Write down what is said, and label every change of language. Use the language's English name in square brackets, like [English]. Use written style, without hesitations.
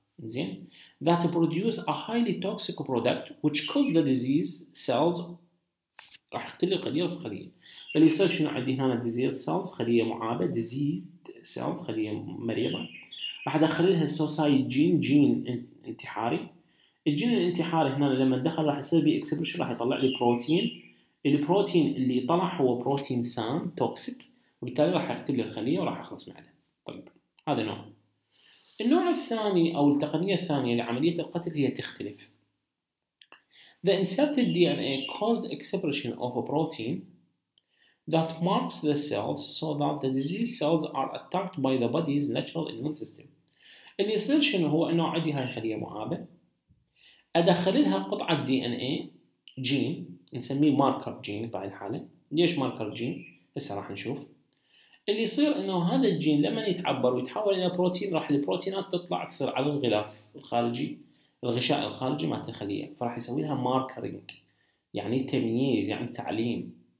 [English] زين؟ that produce a highly toxic product which kills the disease cells. [Arabic] راح يقتل الخليه راس خليه. فاللي يصير شنو عندي هنا ديزيز سيلز خليه معابه، ديزيز سيلز خليه مريضه، راح ادخل لها السوسايد جين، جين انتحاري. الجين الانتحاري هنا لما دخل راح يصير بي اكسبريشن، راح يطلع لي بروتين، البروتين اللي طلع هو بروتين سام توكسيك، وبالتالي راح يقتل لي الخليه وراح اخلص معدها. طيب هذا نوع. النوع الثاني او التقنيه الثانيه لعمليه القتل هي تختلف. [English] The inserted DNA caused expression of a protein that marks the cells so that the disease cells are attacked by the body's natural immune system. [Arabic] اللي يصير شنو هو انه عندي هاي خليه معابه ادخل لها قطعه دي ان اي جين نسميه ماركر جين بهاي الحاله. ليش ماركر جين؟ هسه راح نشوف. اللي يصير انه هذا الجين لما يتعبر ويتحول الى بروتين راح البروتينات تطلع تصير على الغلاف الخارجي، الغشاء الخارجي مالت الخليه، فراح يسوي لها ماركرينج يعني تمييز يعني تعليم.